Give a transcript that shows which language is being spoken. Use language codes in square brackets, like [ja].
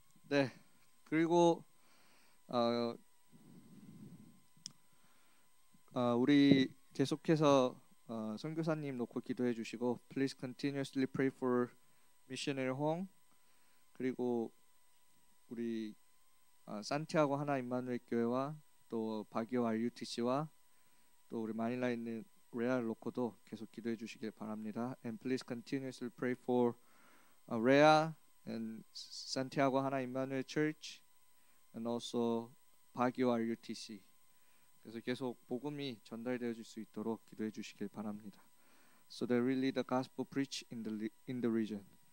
[ko] 네, 그리고 우리 계속해서 선교사님 놓고 기도해 주시고 [en] please continuously pray for missionary Hong [ko] 그리고 우리 산티아고 하나 임마누엘 교회와 또 바기오 RUTC와 또 우리 마닐라에 있는 레아를 놓고도 계속 기도해 주시길 바랍니다. [en] And please continuously pray for Rhea and Santiago Hana Emmanuel Church and also Baguio RUTC. [ko] 그래서 계속 복음이 전달되어질 수 있도록 기도해 주시길 바랍니다. [en] So they really the gospel preach in the region.